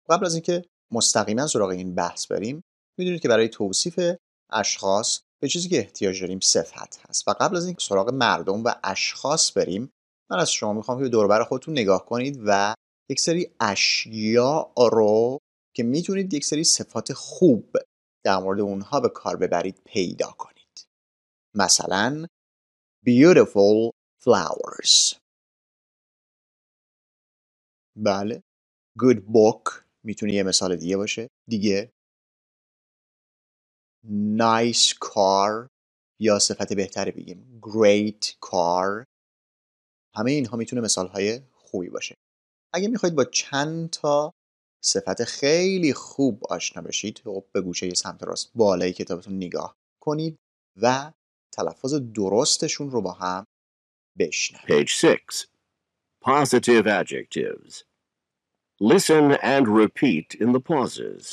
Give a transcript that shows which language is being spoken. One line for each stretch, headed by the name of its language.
Persian: قبل از اینکه مستقیما سراغ این بحث بریم، می‌دونید که برای توصیف اشخاص به چیزی که احتیاج داریم صفت هست. و قبل از اینکه سراغ مردم و اشخاص بریم، من از شما می‌خوام که دور و بر خودتون نگاه کنید و یک سری اشیاء رو که میتونید یک سری صفات خوب در مورد اونها به کار ببرید پیدا کنید. مثلا
English: beautiful flowers.
Persian: بله،
English: good book
Persian: میتونه یه مثال دیگه باشه. دیگه
English: nice car
Persian: یا صفت بهتری بگیم
English: great car.
Persian: همه اینها میتونه مثالهای خوبی باشه. اگه میخواید با چند تا صفت خیلی خوب آشنا بشید، به گوشه سمت راست بالای کتابتون نگاه کنید و تلفظ درستشون رو با هم بشنوید.
English: Page 6. Positive adjectives. Listen and repeat in the pauses.